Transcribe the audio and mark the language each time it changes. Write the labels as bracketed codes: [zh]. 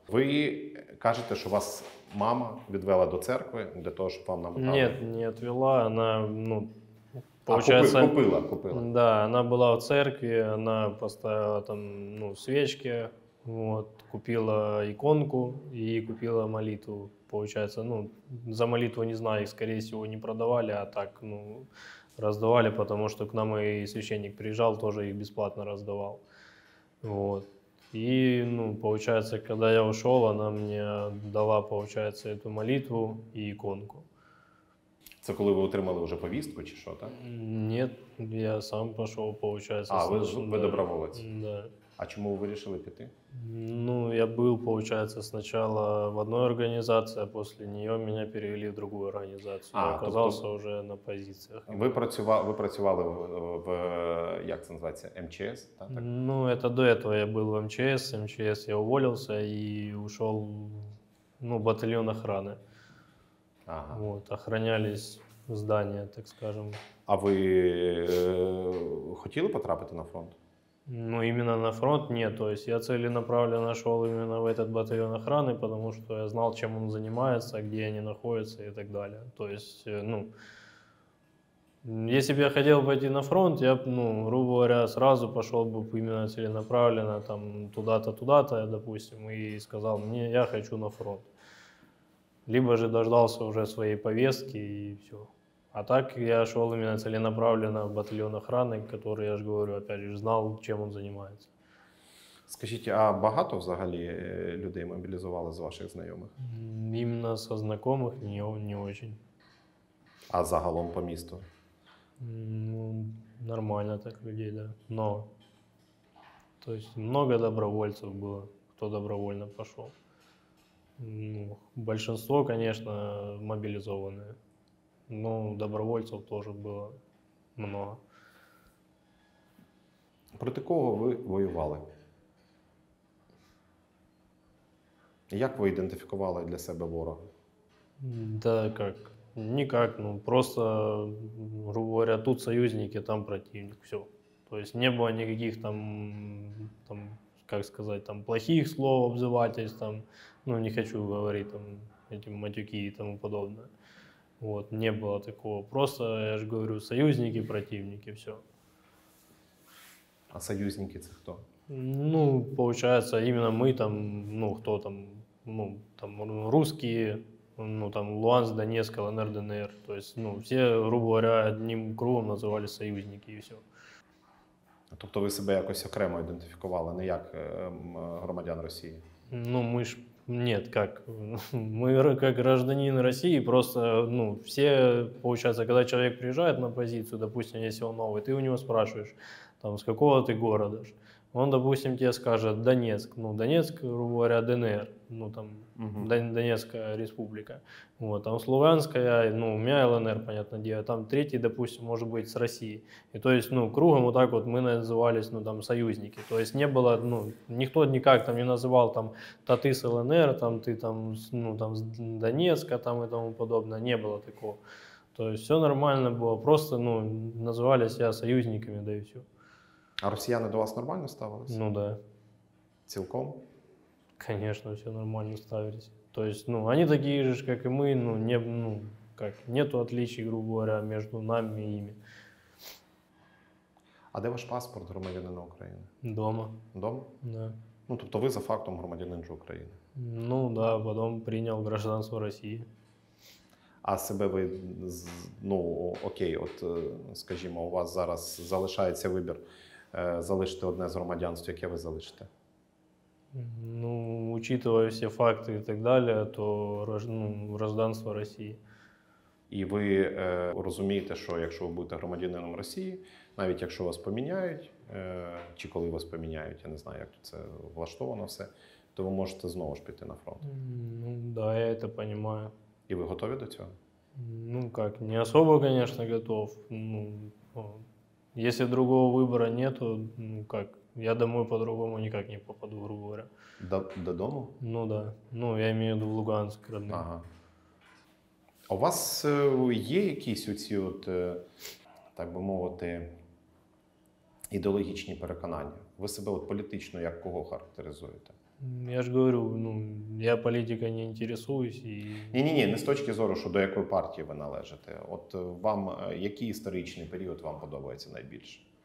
[uk] Ви кажете, що вас мама відвела до церкви для того, щоб вам намагали? Ні, не відвела, вона, ну, получається... А купила. Так, да, вона була в церкві, вона поставила там, ну, свічки, вот, купила іконку і купила молитву. [ru] Получается, ну, за молитву не знаю, их, скорее всего, не продавали, а так, ну, раздавали, потому что к нам и священник приезжал, тоже их бесплатно раздавал. Вот. И, ну, получается, когда я ушел, она мне дала, получается, эту молитву и иконку. [uk] Це коли ви отримали вже повістку чи що, так? Ні, я сам пішов, получается. А, ви доброволець? Так. Да. А чому ви вирішили піти? Ну, я був, виходить, спочатку в одній організації, а після неї мене перевели в іншу організацію. Я оказався вже на позиціях. Ви працювали в, як це називається, МЧС? Так? Ну, це до цього я був в МЧС. МЧС я уволився і йшов, ну, батальйон охорони. Ага. [ru] Вот, охранялись здания, так скажем. [uk] А ви хотіли потрапити на фронт? [ru] Ну, именно на фронт – нет. То есть я целенаправленно шел именно в этот батальон охраны, потому что я знал, чем он занимается, где они находятся и так далее. То есть, ну, если бы я хотел пойти на фронт, я бы, ну, грубо говоря, сразу пошел бы именно целенаправленно там туда-то, допустим, и сказал мне, я хочу на фронт. Либо же дождался уже своей повестки и все. А так я шел именно целенаправленно в батальон охраны, который, я же говорю, опять же, знал, чем он занимается. [uk] Скажите, а багато взагалі людей мобілізували з ваших знайомих? [ru] Именно со знакомых не очень. [uk] А загалом по місту? [ru] Ну, нормально так людей, да. Но. То есть много добровольцев было, кто добровольно пошел. Ну, большинство, конечно, мобилизованные. [uk] Ну, добровольців теж було много. Проти кого ви воювали? Як ви ідентифікували для себе ворога? Да, як? [ru] Никак, ну просто, грубо говоря, тут союзники, там противник, все. То есть не было никаких там, как сказать, там плохих слов, обзывательств, там, ну не хочу говорить там эти матюки и тому подобное. Вот, не было такого. Просто, я же говорю, союзники, противники, все. А союзники это кто? Ну, получается, именно мы там, ну, кто там, ну, там, русские, ну, там, Луганск, Донецк, ЛНР, ДНР. То есть, ну, все, грубо говоря, одним кругом называли союзники и все. [uk] Тобто ви себе якось окремо ідентифікували, не як громадян Росії? Ну, ми ж, [ru] нет, как, мы как гражданин России, просто, ну, все, получается, когда человек приезжает на позицию, допустим, если он новый, ты у него спрашиваешь, там, с какого ты города ж? Он, допустим, тебе скажет Донецк, ну, Донецк, грубо говоря, ДНР, ну, там, угу. Донецкая республика, вот, там, Луганская, ну, у меня ЛНР, понятное дело, там, третий, допустим, может быть, с Россией. И, то есть, ну, кругом вот так вот мы назывались, ну, там, союзники, то есть, не было, ну, никто никак там не называл, там, та ты с ЛНР, там, ты, там, ну, там, с Донецка, там, и тому подобное, не было такого. То есть, все нормально было, просто, ну, называли себя союзниками, да и все. [uk] А росіяни до вас нормально ставились? [ru] Ну, да. [uk] Цілком? [ru] Конечно, все нормально ставились. То есть, ну, они такие же, как и мы, ну, не, ну, как, нету отличий, грубо говоря, между нами и ими. [uk] А де ваш паспорт громадянина України? [ru] Дома. Дома? Да. [uk] Ну, тобто ви за фактом громадянин же України? [ru] Ну, да, потом принял гражданство России. [uk] А себе ви, ну, окей, от, скажімо, у вас зараз залишається вибір, залишити одне з громадянств, яке ви залишите? Ну, учитывая всі факти і так далі, то ну, гражданство Росії. І ви розумієте, що якщо ви будете громадянином Росії, навіть якщо вас поміняють, чи коли вас поміняють, я не знаю, як це влаштовано все, то ви можете знову ж піти на фронт? Ну, да, я це розумію. І ви готові до цього? Ну, як, не особо, звісно, готов. [ru] Ну, если другого выбора нету, ну как, я домой по-другому никак не попаду, грубо говоря. [uk] До дому? [ru] Ну да. Ну, я имею в виду в Луганск, родным. Ага. [uk] А у вас є якісь оці, от, так би мовити, ідеологічні переконання? Ви себе от політично як кого характеризуєте? Я ж говорю, ну, я політикою не інтересуюсь і... Ні-ні-ні, не з точки зору, що до якої партії ви належите. От вам, який історичний період вам подобається найбільше?